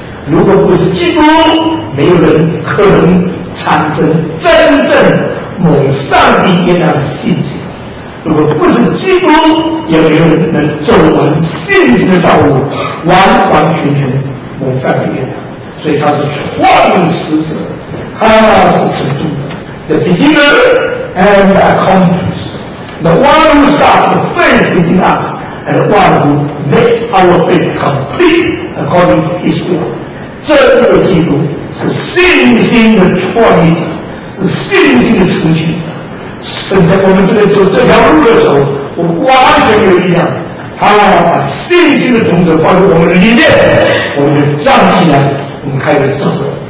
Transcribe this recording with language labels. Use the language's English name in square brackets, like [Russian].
[Chinese] 如果不是基督，没有人可能产生真正蒙上帝悦纳的信心。如果不是基督，也没有人能走完信心的道路，完完全全蒙上帝悦纳。所以他是创始者，他是始祖 [English] ，the beginner and accomplisher，the one who started faith within us and the one who made our faith complete according to his will。 [Chinese] 这个基督是信心的创立者，是信心的成全者。正在我们正在走这条路的时候，我们完全有力量。他把信心的种子放在我们里面，我们就站起来，我们开始走了。